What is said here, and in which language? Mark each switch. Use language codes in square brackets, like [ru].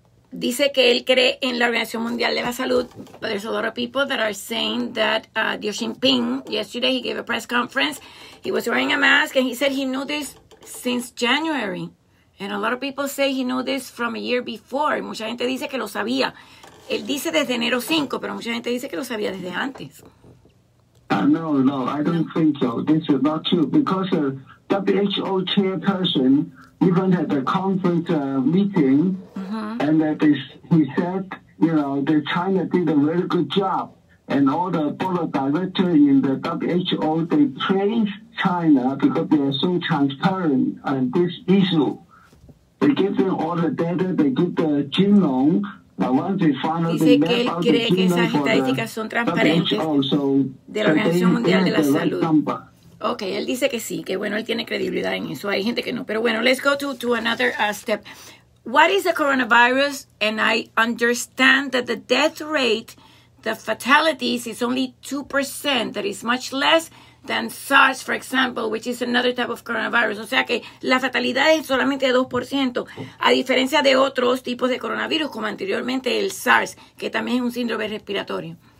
[es] Dice que él cree en la Organización Mundial de la Salud, [en] but there's a lot of people that are saying that Xi Jinping, yesterday he gave a press conference, he was wearing a mask, and he said he knew this since January. And a lot of people say he knew this from a year before. [es] Mucha gente dice que lo sabía. Él dice desde enero 5, pero mucha gente dice que lo sabía desde antes. [en] No, I don't think so. This is not true, because WHO chairperson even had a conference meeting, mm-hmm. and he said, that China did a very good job, and all the board of directors in the WHO, they praised China because they are so transparent on this issue. They give them all the data, they give the genome, but once they finally map out the genome for the WHO, so [es] de la Organización Mundial de la Salud. [en] Right number. [es] Ok, él dice que sí, que bueno, él tiene credibilidad en eso. Hay gente que no. Pero bueno, [en] let's go to another step. What is the coronavirus? And I understand that the death rate, the fatalities, is only 2%. That is much less than SARS, for example, which is another type of coronavirus. [es] O sea que la fatalidad es solamente 2%, a diferencia de otros tipos de coronavirus, como anteriormente el SARS, que también es un síndrome respiratorio.